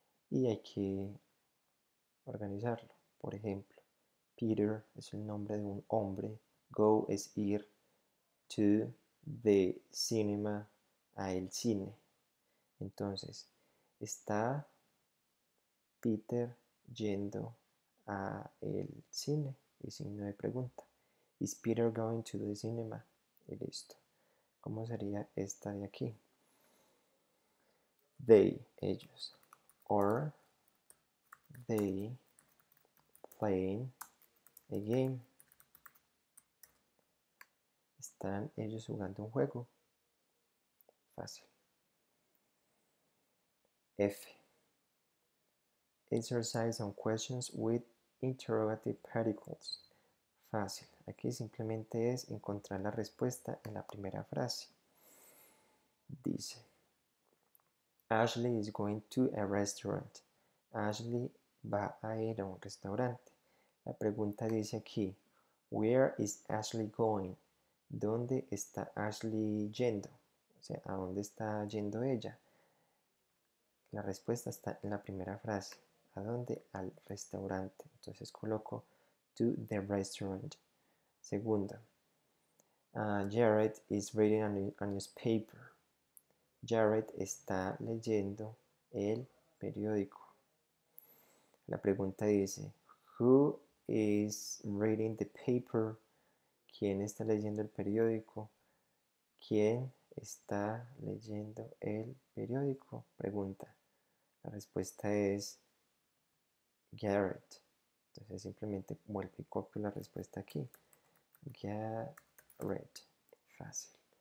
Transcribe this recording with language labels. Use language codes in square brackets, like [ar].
[es] Y hay que organizarlo. Por ejemplo, Peter es el nombre de un hombre. Go es ir. [en] To the cinema, [es] a el cine. Entonces, está Peter yendo a el cine y signo de pregunta. [en] Is Peter going to the cinema? [es] Y listo. ¿Cómo sería esta de aquí? [en] They, ellos. Are they playing a game? [es] ¿Están ellos jugando un juego? Fácil. F. [en] Exercise on questions with interrogative particles. [es] Fácil. Aquí simplemente es encontrar la respuesta en la primera frase. [en] Dice, Ashley is going to a restaurant. [es] Ashley va a ir a un restaurante. La pregunta dice aquí, [en] where is Ashley going? [es] ¿Dónde está Ashley yendo? O sea, ¿a dónde está yendo ella? La respuesta está en la primera frase. ¿A dónde? Al restaurante. Entonces coloco [en] to the restaurant. [es] Segunda. [en] Jared is reading a newspaper. [es] Jared está leyendo el periódico. La pregunta dice, [en] who is reading the paper? [es] ¿Quién está leyendo el periódico? ¿Quién está leyendo el periódico? Pregunta. La respuesta es Garrett. Entonces simplemente vuelvo y copio la respuesta aquí. Garrett. Fácil.